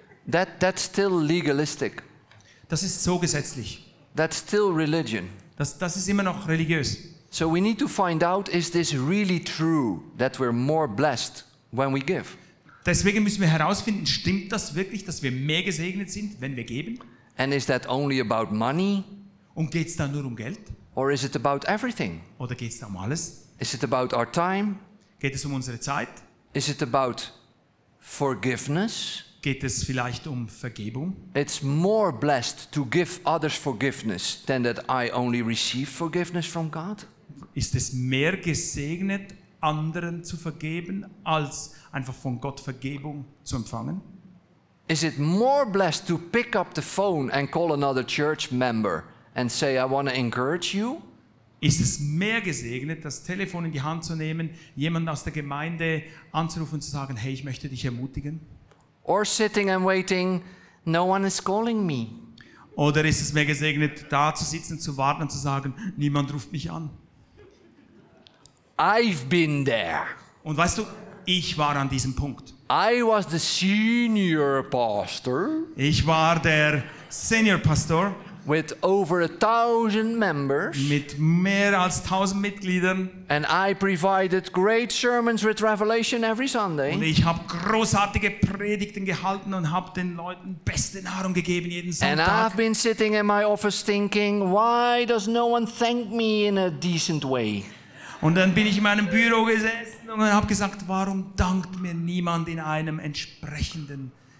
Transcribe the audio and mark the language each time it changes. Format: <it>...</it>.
<en>That's still legalistic.</en> <de>Das ist so gesetzlich.</de> <en>That's still religion.</en> <de>Das ist immer noch religiös.</de> <en>So we need to find out, is this really true that we're more blessed when we give?</en> <de>Deswegen müssen wir herausfinden, stimmt das wirklich, dass wir mehr gesegnet sind, wenn wir geben?</de> <en>And is that only about money?</en> <de>Und geht's da nur um Geld?</de> <en>Or is it about everything?</en> <de>Oder geht's da um alles?</de> <en>Is it about our time?</en> <de>Geht es um unsere Zeit?</de> <en>Is it about forgiveness?</en> <de>Geht es vielleicht um Vergebung?</de> <en>It's more blessed to give others forgiveness than that I only receive forgiveness from God.</en> <de>Ist es mehr gesegnet, anderen zu vergeben, als einfach von Gott Vergebung zu empfangen?</de> <en>Is it more blessed to pick up the phone and call another church member and say I want to encourage you?</en> <de>ist es mehr gesegnet, das Telefon in die Hand zu nehmen, jemanden aus der Gemeinde anzurufen und zu sagen, hey, ich möchte dich ermutigen.</de> <en>Or sitting and waiting, no one is calling me.</en> <de>Oder ist es mehr gesegnet, da zu sitzen, zu warten und zu sagen, niemand ruft mich an.</de> <en>I've been there.</en> <de>Und weißt du, ich war an diesem Punkt.</de> <en>I was the senior pastor.</en> <de>Ich war der Senior Pastor.</de> <en>With over 1,000 members.</en> <de>Mit mehr als 1,000 Mitgliedern.</de> <en>And I provided great sermons with revelation every Sunday.</en> <de>Und ich habe großartige Predigten gehalten und habe den Leuten beste Nahrung gegeben jeden Sonntag.</de> <en>And I've been sitting in my office thinking, why does no one thank me in a decent way?</en> <de>Und dann bin ich in meinem Büro gesessen und habe gesagt, warum dankt mir niemand in einem entsprechenden</de>